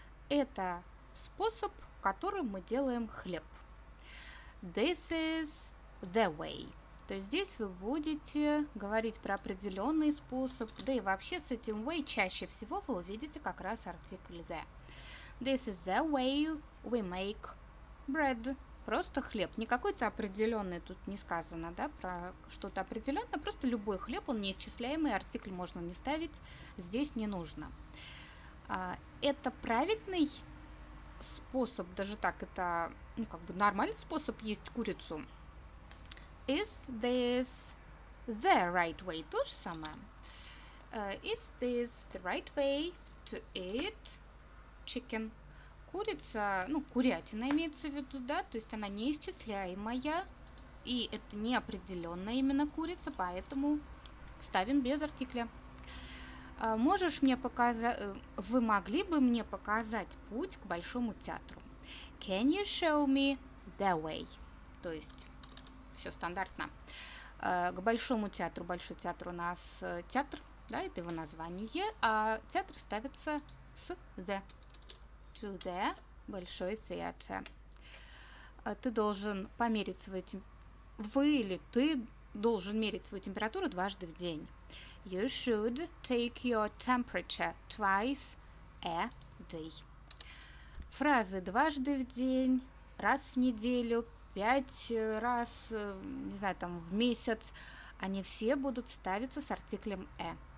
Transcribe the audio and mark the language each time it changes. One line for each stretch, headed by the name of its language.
Russian: Это способ, которым мы делаем хлеб.
English: This is the way.
Russian: То есть здесь вы будете говорить про определенный способ, да и вообще с этим way чаще всего вы увидите как раз артикль the.
English: This is the way we make bread.
Russian: Просто хлеб, не какой-то определенный, тут не сказано, да, про что-то определенное, просто любой хлеб, он неисчисляемый, артикль можно не ставить, здесь не нужно. Это правильный способ, даже так, это, ну, как бы нормальный способ есть курицу.
English: Is this the right way?
Russian: То же самое.
English: Is this the right way to eat chicken?
Russian: Курица, ну, курятина имеется в виду, да, то есть она неисчисляемая, и это неопределённая именно курица, поэтому ставим без артикля. Можешь мне показать, вы могли бы мне показать путь к Большому театру?
English: Can you show me the way?
Russian: То есть все стандартно. К Большому театру, Большой театр у нас театр, да, это его название, а театр ставится с the.
English: To the
Russian: большой театр. Ты должен померить свою температуру. Вы или ты должен мерить свою температуру дважды в день.
English: You should take your temperature twice a day.
Russian: Фразы дважды в день, раз в неделю, пять раз, не знаю, там в месяц, они все будут ставиться с артиклем a.